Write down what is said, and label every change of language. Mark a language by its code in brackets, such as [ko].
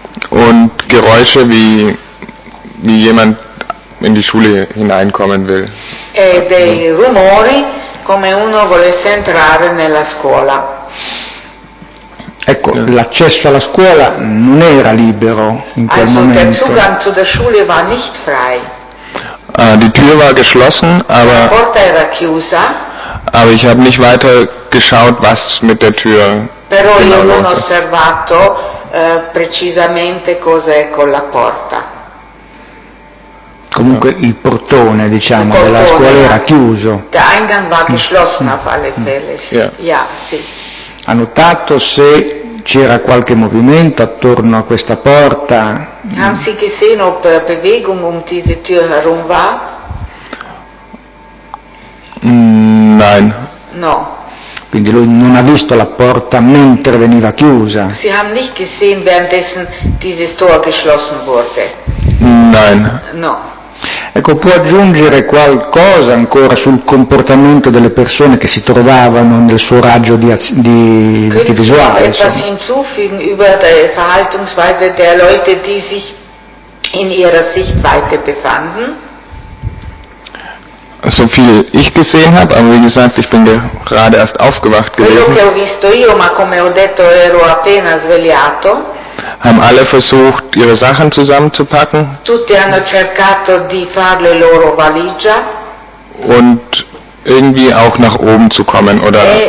[de] Und Geräusche, wie jemand in die Schule hineinkommen will. [it] E dei rumori come uno volesse entrare nella scuola. Ecco, l'accesso alla scuola non era libero in quel momento. [de] Also der Zugang zu der Schule war nicht frei. Die Tür war geschlossen, aber [it] la porta era chiusa. [de] Aber ich habe nicht weiter geschaut, was mit der Tür. [it] Però [de] genau [it] io non ho osservato precisamente cos'è con la porta. Comunque il portone, diciamo, il portone della scuola era chiuso. [de] Der Eingang war geschlossen auf alle Fälle. Ja, sì. [it] Ha notato se c'era qualche movimento attorno a questa porta? [de] Haben Sie gesehen, ob Bewegung um diese Tür herum war? Nein. [it] No. Quindi lui non ha visto la porta mentre veniva chiusa. [de] Sie haben nicht gesehen, währenddessen dieses Tor geschlossen wurde. Nein. [it] No. Ecco, può aggiungere qualcosa ancora sul comportamento delle persone che si trovavano nel suo raggio di visuale? [de] Könnte etwas hinzufügen über die Verhaltensweise der Leute, die sich in ihrer Sichtweite befanden? So viel ich gesehen habe, aber wie gesagt, ich bin gerade erst aufgewacht gewesen. [it] Quello che ho visto io, ma come ho detto, ero appena svegliato. [de] Haben alle versucht, ihre Sachen zusammenzupacken. [it] Tutti hanno cercato di fare le loro valigia. [de] Und irgendwie auch nach oben zu kommen, oder?